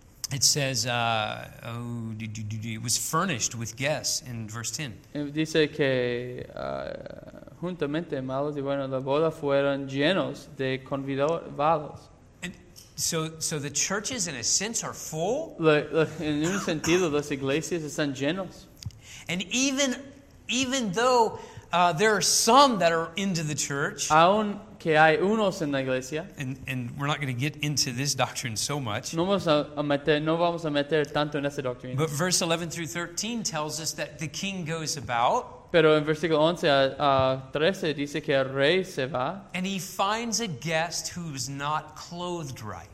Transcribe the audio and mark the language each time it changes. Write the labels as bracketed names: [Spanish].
[English] It says, it was furnished with guests in verse 10. [Spanish] Dice que juntamente malos y buenos, la boda fueron llenos de convidados. [English] So the churches, in a sense, are full. [Spanish] En un sentido, las iglesias están llenos. [English] And even though there are some that are into the church, [Spanish] aún que hay unos en la iglesia, [English] and we're not going to get into this doctrine so much. [Spanish] No vamos a meter tanto en esa doctrina. [English] But verse 11 through 13 tells us that the king goes about. [Spanish] Pero en versículo 11 a 13 dice que el rey se va. [English] And he finds a guest who's not clothed right.